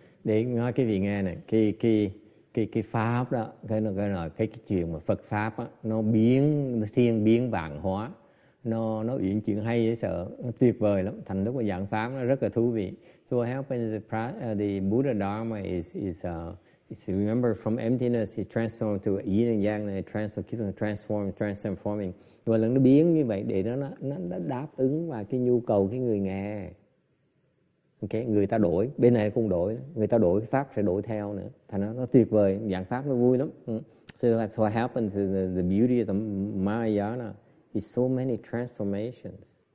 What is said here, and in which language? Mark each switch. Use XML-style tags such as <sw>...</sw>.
<vi>Để nói cái vị nghe này, cái pháp đó, cái chuyện mà Phật pháp á, nó biến thiên biến vạn hóa, nó uyển chuyển hay dễ sợ, nó tuyệt vời lắm. Thành lúc mà giảng pháp nó rất là thú vị.</vi> <en>So what happens is the Buddha Dharma is remember from emptiness it transformed to yin and yang, and it transforming.</en> <vi>Rồi lần nó biến như vậy để nó đáp ứng vào cái nhu cầu cái người nghe. Okay, người ta đổi, bên này cũng đổi, người ta đổi pháp sẽ đổi theo nữa. Thành nó tuyệt vời, giảng pháp nó vui lắm.</vi> <en>So that's what happens is the beauty of the Mahayana is so many transformations.</en>